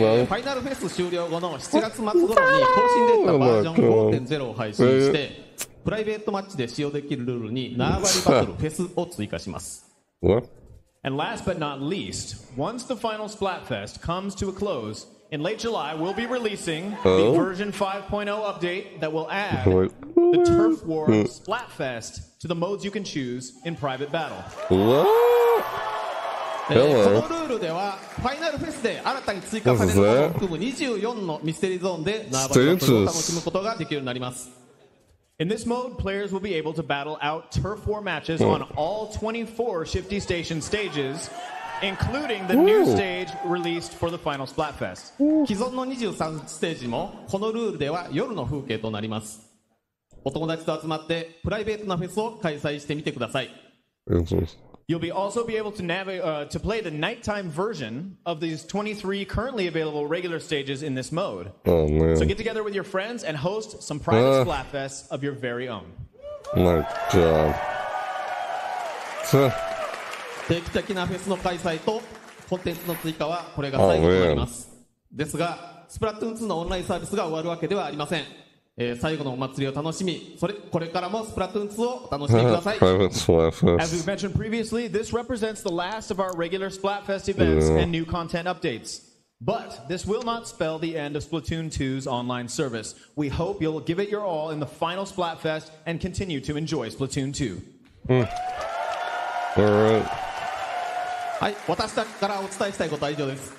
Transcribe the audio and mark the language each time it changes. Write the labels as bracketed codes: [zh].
[ja] ファイナルフェス終了後の7月末頃に更新データバージョン 5.0 を配信して、プライベートマッチで使用できるルールに縄張りバトルフェスを追加します。 [en] What? And last but not least, once the final Splatfest comes to a close, in late July we'll be releasing the version 5.0 update that will add the Turf War Splatfest to the modes you can choose in private battle. What? [ja] このルールではファイナルフェスで新たに追加されるものを含む24のミステリーゾーンで縄張りバトルを楽しむことができるようになります。 [en] In this mode, players will be able to battle out turf war matches on all 24 Shifty Station stages, including the new stage released for the final Splatfest. [ja] 既存の23ステージもこのルールでは夜の風景となります。お友達と集まってプライベートなフェスを開催してみてください。 [en] You'll be also be able to to play the nighttime version of these 23 currently available regular stages in this mode. Oh, man. So get together with your friends and host some private Splatfests of your very own. My god. [ja] できたきなフェスの開催とコンテンツの追加はこれが最後となります。ですが、Splatoon 2のオンラインサービスが終わるわけではありません。最後のお祭りを楽しみ、これからもスプラトゥーン2を楽しんでください。 [en] As we've mentioned previously, this represents the last of our regular Splatfest events and new content updates. But this will not spell the end of Splatoon 2's online service. We hope you'll give it your all in the final Splatfest and continue to enjoy Splatoon 2. All right. [ja] はい、私たちからお伝えしたいことは以上です。